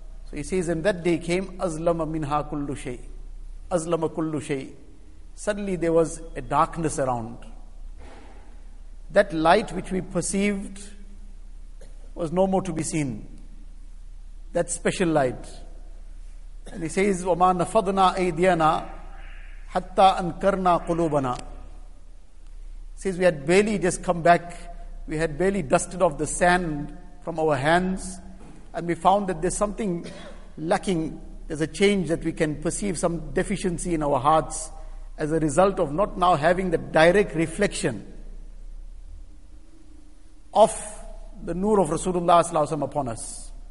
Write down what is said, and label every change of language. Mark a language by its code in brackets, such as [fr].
[en] So he says, and that day came, [ar] azlama minha kullu shay. [en] Azlama kullu shay. Suddenly there was a darkness around. That light which we perceived was no more to be seen. That special light. [ar] And he says, وَمَا نَفَضْنَا أَيْدِيَنَا حَتَّى أَنْكَرْنَا قُلُوبَنَا. [en] He says, we had barely just come back. We had barely dusted off the sand from our hands. And we found that there's something lacking. There's a change that we can perceive some deficiency in our hearts as a result of not now having the direct reflection of the nur of Rasulullah sallallahu alaihi wasallam upon us.